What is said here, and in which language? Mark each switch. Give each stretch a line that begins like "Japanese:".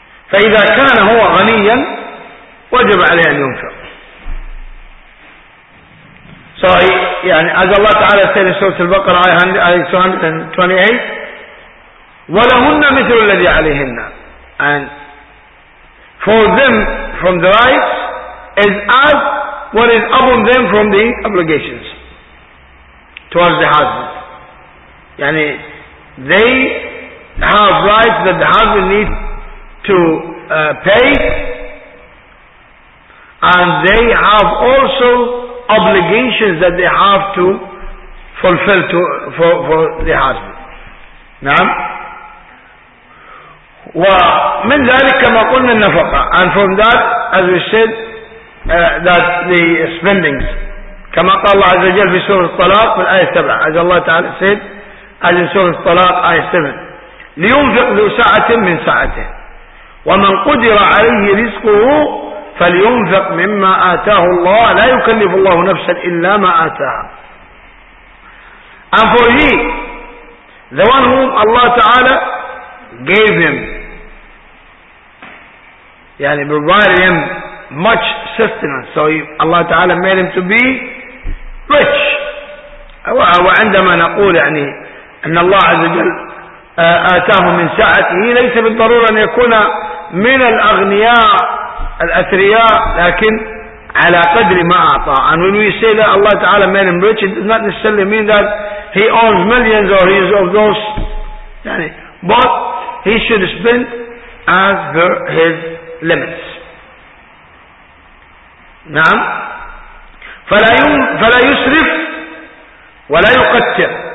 Arabic: فإذا كان هو غنيا وجب عليه أن ينفق.
English: So يعني as Allah Ta'ala said in Surah Al-Baqarah آية 228,
Arabic: ولهن مثل الذي عليهن,
English: and for them from the rights is as what is upon them from the obligations towards the husband. يعني they have rights that the husband needs to pay, and they have also obligations that they have to fulfill to for the husband.
Arabic: نعم. ومن ذلك كما قلنا النفقة,
English: and from that as we said that the spendings
Arabic: كما قال الله عز وجل في سورة الطلاق في الآية 7,
English: as Allah Ta'ala said as in
Arabic: سورة الطلاق آية 7, لينفق ذو سعة من سعته ومن قدر عليه رزقه فلينفق مما آتاه الله لا يكلف الله نفسا إلا ما آتاها.
English: And for he the one whom Allah Ta'ala gave him يعني provided him much sustenance, so Allah Ta'ala made him to be rich.
Arabic: وعندما نقول يعني أن الله عز وجل آتاه من سعته ليس بالضرورة أن يكون من الأغنياء الأثرياء, لكن على قدر ما أعطى.
English: And when we say that Allah Ta'ala made him rich, it does not necessarily mean that he owns millions or he is of those يعني, but he should spend as per his limits.
Arabic: نعم. فلا يسرف ولا يقتر.